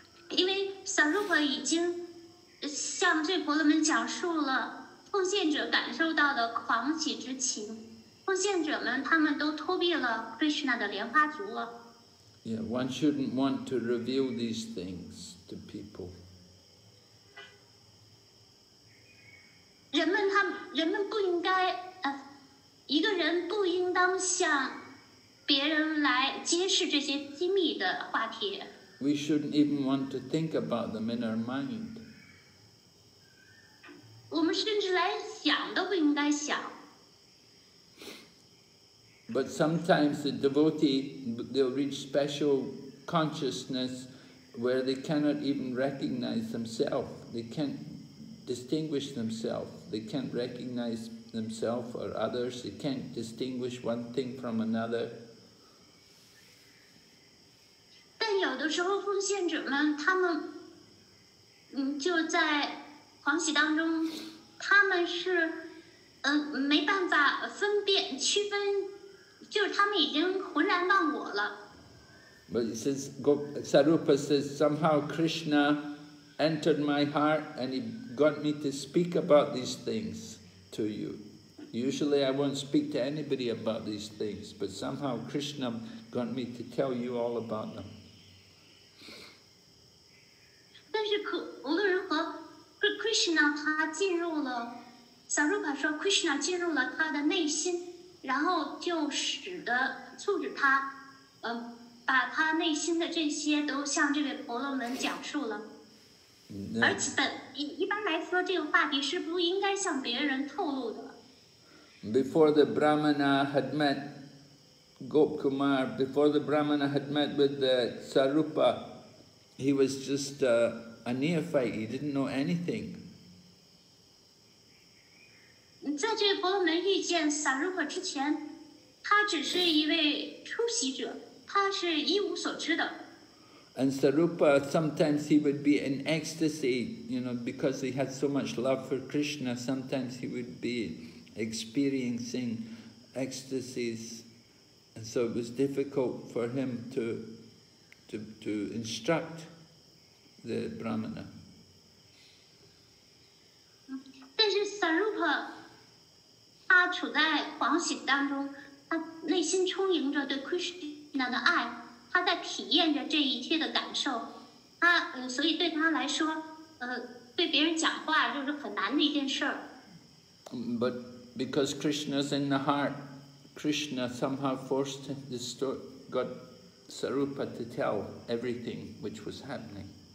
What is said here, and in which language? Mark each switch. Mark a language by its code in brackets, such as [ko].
[zh] 因为 Sarupa 已经向这婆罗门讲述了奉献者感受到的狂喜之情。奉献者们，他们都脱离了 Krishna 的莲花足了。 [en] Yeah, one shouldn't want to reveal these things to people. [zh] 人们不应该一个人不应当向别人来揭示这些机密的话题。 [en] We shouldn't even want to think about them in our mind. [zh] 我们甚至连想都不应该想。 [en] But sometimes the devotee, they'll reach special consciousness where they cannot even recognize themselves. They can't distinguish themselves. They can't recognize themselves or others. They can't distinguish one thing from another. [zh] 但有的时候奉献者们他们就在狂喜当中他们是没办法分辨区分就是他们已经浑然忘我了。 [en] But Sarupa says somehow Krishna entered my heart and he got me to speak about these things to you. Usually I won't speak to anybody about these things, but somehow Krishna got me to tell you all about them. [zh] 但是无论如何 ，Krishna 他进入了 ，Sarupa 说 Krishna 进入了他的内心。然后就促使他，把他内心的这些都向这位婆罗门讲述了。而且一般来说，这个话题是不应该向别人透露的。 [en] Before the Brahmana had met Gop Kumar, before the Brahmana had met with the Sarupa, he was just a neophyte. He didn't know anything. [zh] 在这婆罗门遇见 Sarupa 之前，他只是一位初习者，他是一无所知的。 [en] And Sarupa sometimes he would be in ecstasy, you know, because he had so much love for Krishna. Sometimes he would be experiencing ecstasies, and so it was difficult for him to instruct the Brahmana. [zh] 但是 Sarupa。他处在狂喜当中，他内心充盈着对 Krishna 的爱，他在体验着这一切的感受，所以对他来说，对别人讲话就是很难的一件事。 [en] But because Krishna's in the heart, Krishna somehow forced the story, got Sarupa to tell everything which was happening.